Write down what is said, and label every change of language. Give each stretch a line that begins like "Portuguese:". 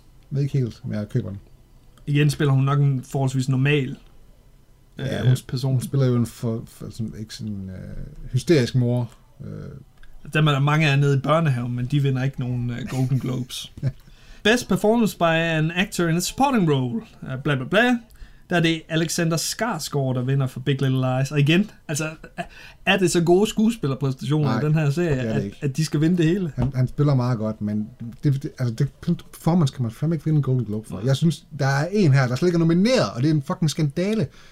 Danish: Ved ikke helt, men jeg køber den. Igen spiller hun nok en forholdsvis normal person. Hun spiller jo en hysterisk mor. Dem er der mange af nede i børnehaven, men de vinder ikke nogen Golden Globes.
English: Best performance by an actor in a supporting role.
Danish: Bla bla bla. Der er det Alexander Skarsgård, der vinder for Big Little Lies. Og igen, altså, er det så gode skuespillerpræstationer i den her serie, at de skal vinde det hele? Han spiller meget godt, men det performance kan man fandme ikke vinde en Golden Globe for. Nej. Jeg synes, der er en her, der slet ikke er nomineret, og det er en fucking skandale.